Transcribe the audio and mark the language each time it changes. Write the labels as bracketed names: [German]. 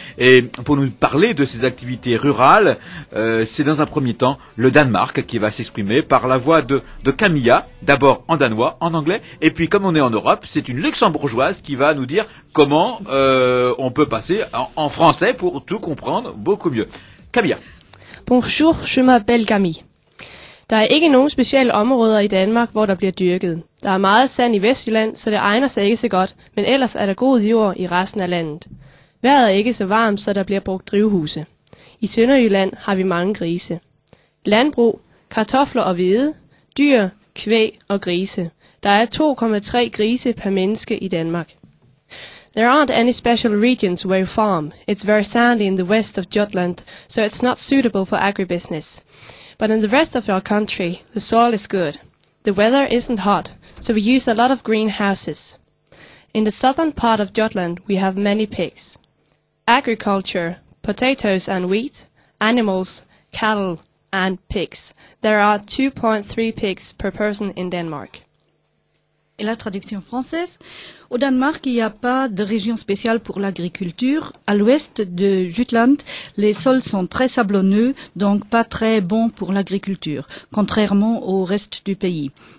[French] Et pour nous parler de ces activités rurales, c'est dans un premier temps le Danemark qui va s'exprimer par la voix de Camilla, d'abord en danois, en anglais, et puis comme on est en Europe, c'est une luxembourgeoise qui va nous dire comment on peut passer en français pour tout comprendre beaucoup mieux. Camilla. Bonjour, je m'appelle Camille. [Danish] Der er ikke nogen specielle områder i Danmark, hvor der bliver dyrket. Der er meget sand i Vestjylland, så det egner sig ikke så godt, men ellers er der god jord i resten af landet. Vejret er ikke så varmt, så der bliver brugt drivhuse. I Sønderjylland har vi mange grise. Landbrug, kartofler og hvede, dyr, kvæg og grise. Der er 2,3 grise per menneske i Danmark. [English] There aren't any special regions where you farm. It's very sandy in the west of Jutland, so it's not suitable for agribusiness. But in the rest of our country, the soil is good. The weather isn't hot, so we use a lot of greenhouses. In the southern part of Jutland, we have many pigs. Agriculture, potatoes and wheat, animals, cattle and pigs. There are 2.3 pigs per person in Denmark. [French] Et la traduction française, au Danemark, il n'y a pas de région spéciale pour l'agriculture. À l'ouest de Jutland, les sols sont très sablonneux, donc pas très bons pour l'agriculture, contrairement au reste du pays.